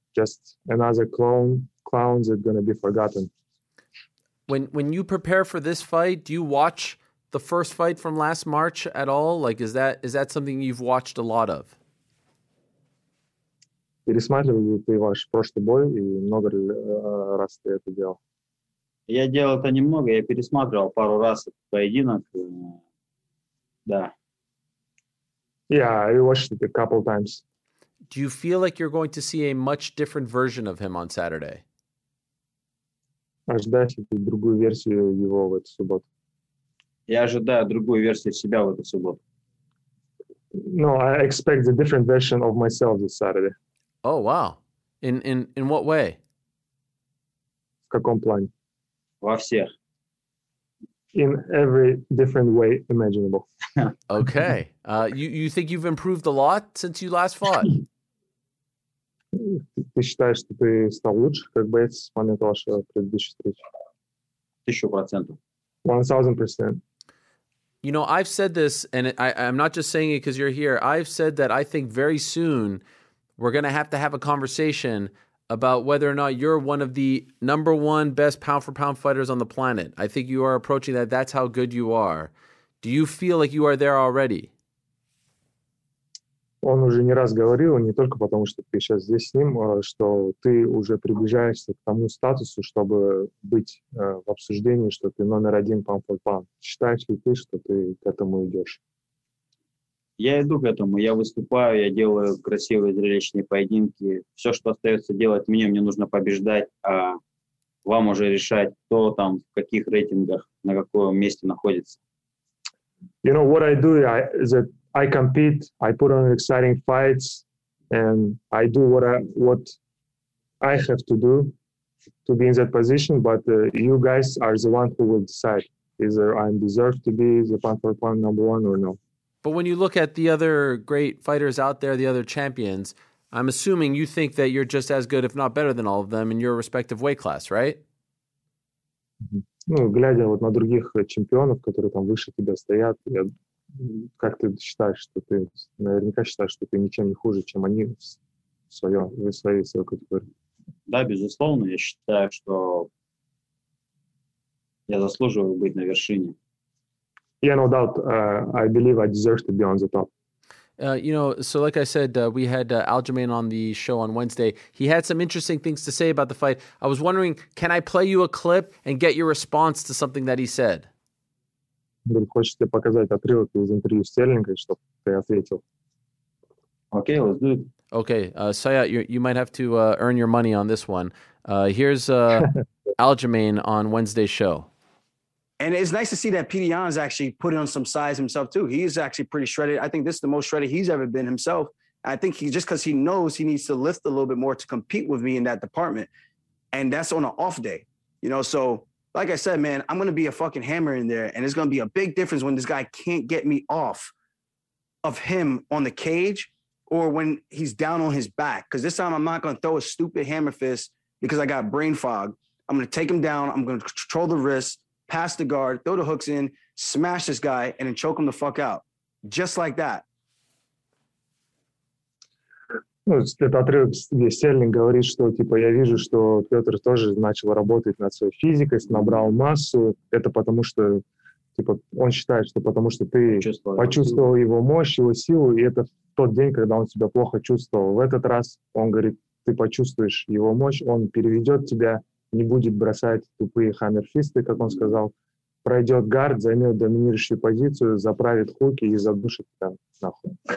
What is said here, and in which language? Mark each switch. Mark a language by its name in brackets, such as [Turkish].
[English] Just another clown that's going to be forgotten. When you prepare for this fight, do you watch the first fight from last March at all? Like, is that something you've watched a lot of? [Russian] Пересматривал ли ты ваш прошлый бой и много ли раз ты это делал? Я делал это немного, я пересматривал пару раз поединок, да. [English] Yeah, I watched it a couple times. Do you feel like you're going to see a much different version of him on Saturday? [Russian] Ожидаешь ли ты другую версию его в эту субботу? Я ожидаю другую версию себя в эту субботу. [English] No, I expect a different version of myself this Saturday. Oh, wow. In what way? [Russian] В каком плане? Во всех. [English] In every different way imaginable. Okay. You think you've improved a lot since you last fought? [Russian] Ты считаешь, что ты стал лучше, как боец, с момента вашей предыдущей встречи? 1000%. 1000%. [English] You know, I've said this, and I'm not just saying it because you're here. I've said that I think very soon we're going to have a conversation about whether or not you're one of the number one best pound-for-pound fighters on the planet. I think you are approaching that. That's how good you are. Do you feel like you are there already? [Russian] Он уже не раз говорил, не только потому, что ты сейчас здесь с ним, что ты уже приближаешься к тому статусу, чтобы быть в обсуждении, что ты номер один пам-пам-пам. Считаешь ли ты, что ты к этому идешь? Я иду к этому. Я выступаю, я делаю красивые зрелищные поединки. Все, что остается делать мне нужно побеждать, а вам уже решать, кто там, в каких рейтингах, на каком месте находится. [English] You know, what I do is that I compete, I put on exciting fights, and I do what I have to do to be in that position, but you guys are the one who will decide either I'm deserved to be the pound for pound number one or no. But when you look at the other great fighters out there, the other champions, I'm assuming you think that you're just as good, if not better than all of them, in your respective weight class, right? [Russian] Ну, глядя вот на других чемпионов, которые там выше тебя стоят, я... Как ты считаешь, что ты наверняка считаешь, что ты ничем не хуже, чем они в своей категории? Да, безусловно, я считаю, что я заслуживаю быть на вершине. [English] Yeah, no doubt. I believe I deserve to be on the top. You know, so like I said, we had Aljamain on the show on Wednesday. He had some interesting things to say about the fight. I was wondering, can I play you a clip and get your response to something that he said? [Russian] Хочешь тебе показать отрывок из интервью Стерлинга, чтобы ты ответил? [English] Okay, let's do it. Okay, Sayat, you might have to earn your money on this one. Here's Aljamain on Wednesday's show. And it's nice to see that Petey Yan's actually putting on some size himself too. He's actually pretty shredded. I think this is the most shredded he's ever been himself. I think he just because he knows he needs to lift a little bit more to compete with me in that department. And that's on an off day, you know, so... Like I said, man, I'm going to be a fucking hammer in there, and it's going to be a big difference when this guy can't get me off of him on the cage or when he's down on his back. Because this time I'm not going to throw a stupid hammer fist because I got brain fog. I'm going to take him down. I'm going to control the wrist, pass the guard, throw the hooks in, smash this guy, and then choke him the fuck out. Just like that. [Russian] Ну, этот отрывок, где Стерлинг говорит, что типа я вижу, что Петр тоже начал работать над своей физикой, набрал массу. Это потому что типа он считает, что потому что ты почувствовал его мощь, его силу, и это тот день, когда он себя плохо чувствовал. В этот раз он говорит, ты почувствуешь его мощь, он переведет тебя, не будет бросать тупые хаммерфисты, как он сказал, пройдет гард, займет доминирующую позицию, заправит хуки и задушит тебя нахуй.